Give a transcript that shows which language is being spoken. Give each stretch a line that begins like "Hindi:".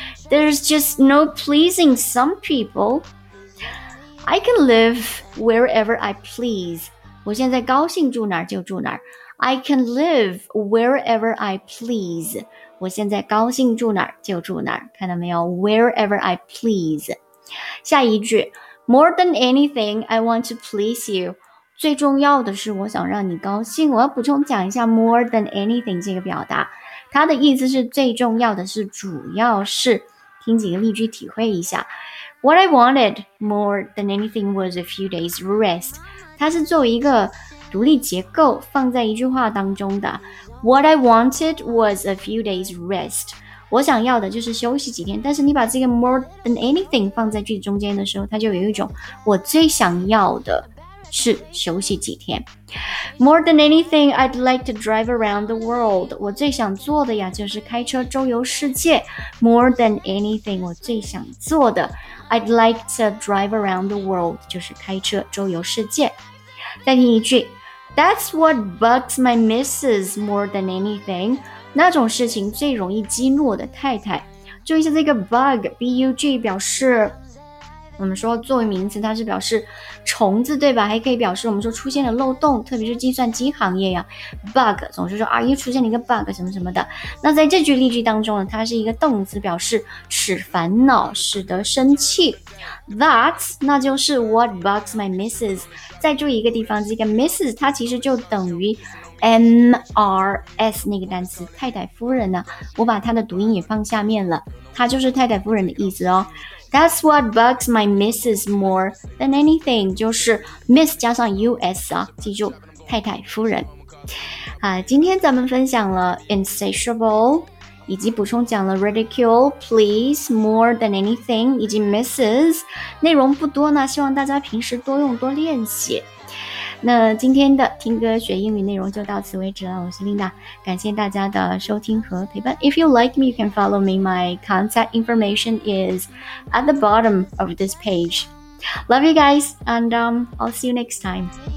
English: There's just no pleasing some peopleI can live wherever I please.
Chinese: 我现在高兴住哪儿就住哪儿。
English: I can live wherever I please.
Chinese: 我现在高兴住哪儿就住哪儿。看到没有 ?
English: wherever I please.
Chinese: 下一句
English: ,more than anything, I want to please you.
Chinese: 最重要的是我想让你高兴。我要补充讲一下
English: more than anything
Chinese: 这个表达。它的意思是最重要的是主要是。听几个例句体会一下。
English: What I wanted more than anything was a few days rest.
Chinese: 它是作为一个独立结构放在一句话当中的。 What I wanted was a few days rest. 我想要的就是休息几天，但是你把这个
English: more than anything
Chinese: 放在句子中间的时候，它就有一种我最想要的是休息几天。
English: More than anything, I'd like to drive around the world.
Chinese: 我最想做的呀就是开车周游世界。
English: More than anything,
Chinese: 我最想做的。
English: I'd like to drive around the world,
Chinese: 就是开车周游世界。再听一句
English: That's what bugs my missus more than anything.
Chinese: 那种事情最容易激怒我的太太。注意一下这个 bug, B-U-G 表示我们说作为名词它是表示虫子对吧，还可以表示我们说出现了漏洞，特别是计算机行业呀 bug 总是说啊又出现了一个 bug 什么什么的。那在这句例句当中呢，它是一个动词表示使烦恼使得生气。
English: That's
Chinese: 那就是
English: what bugs my missus。
Chinese: 再注意一个地方，这个 missus 它其实就等于 MRS 那个单词太太夫人呢，我把它的读音也放下面了，它就是太太夫人的意思哦。
English: That's what bugs my missus more than anything.
Chinese: 就是 miss 加上 us 啊，记住太太夫人。今天咱们分享了 insatiable, 以及补充讲了 ridicule, please, more than anything, 以及 missus, 内容不多呢，希望大家平时多用多练习。那今天的听歌学英语内容就到此为止了，我是 Linda, 感谢大家的收听和陪伴。
English: If you like me, you can follow me. My contact information is at the bottom of this page. Love you guys, and I'll see you next time.